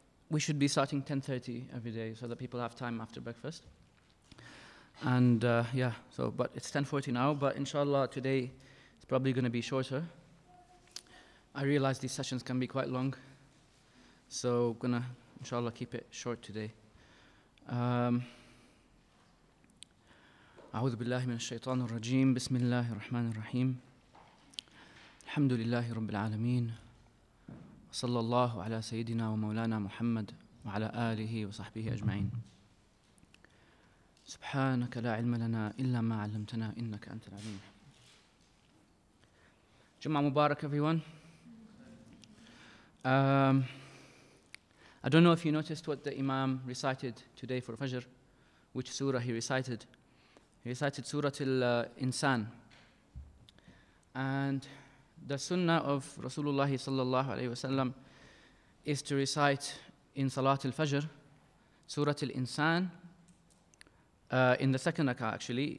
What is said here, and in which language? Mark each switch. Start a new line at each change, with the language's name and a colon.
English: We should be starting 10:30 every day so that people have time after breakfast. And yeah, so but it's 10:40 now. But inshallah, today it's probably going to be shorter. I realize these sessions can be quite long, so gonna inshallah keep it short today.
Arabic: أعوذ بالله من الشيطان الرجيم بسم الله الرحمن الرحيم الحمد لله رب العالمين صلى الله على سيدنا ومولانا محمد وعلى آله وصحبه أجمعين سبحانك لا علم لنا إلا ما علمتنا إنك أنت العليم. جمعة مبارك
English: everyone. I don't know if you noticed what the Imam recited today for Fajr, which surah he recited. He recited Surah al-Insan. And the sunnah of Rasulullah sallallahu alayhi wa sallam is to recite in Salat al-Fajr, Surah al-Insan, in the second rak'ah actually.